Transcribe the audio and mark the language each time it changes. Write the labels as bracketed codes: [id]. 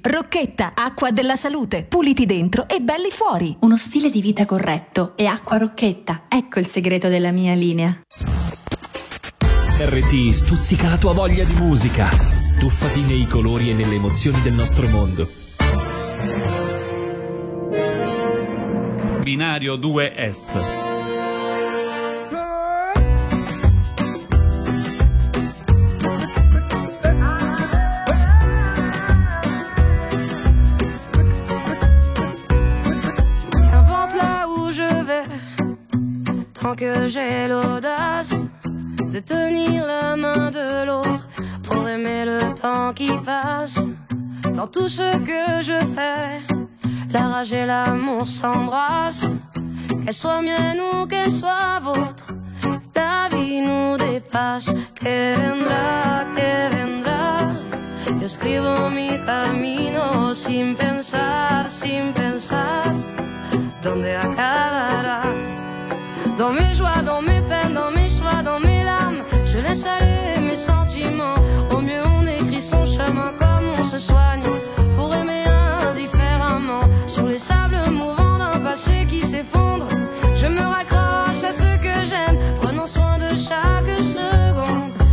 [it] Rocchetta, acqua della salute. Puliti dentro e belli fuori. Uno stile di vita corretto e acqua Rocchetta. Ecco il segreto della mia linea. RT stuzzica la tua voglia di musica. Tuffati nei colori e nelle emozioni del nostro mondo. Binario. binario 2 est. [fr] N'importe là où je vais, tant que j'ai l'audace de tenir la main de l'autre pour aimer le temps qui passe. Dans tout ce que je fais, la rage et l'amour s'embrassent. Qu'elle soit mienne ou qu'elle soit vôtre, la vie nous dépasse. [es] Que vendrá, que vendrá. Yo escribo mi camino sin pensar, sin pensar. ¿Dónde acabará? [fr] Dans mes joies, dans mes peines, dans mes choix, dans mes larmes, je laisse aller mes sentiments. Au mieux on écrit son chemin comme on se soigne pour aimer indifféremment. Sur les sables mouvants d'un passé qui s'effondre, je me raccroche à ce que j'aime, prenant soin de chaque seconde.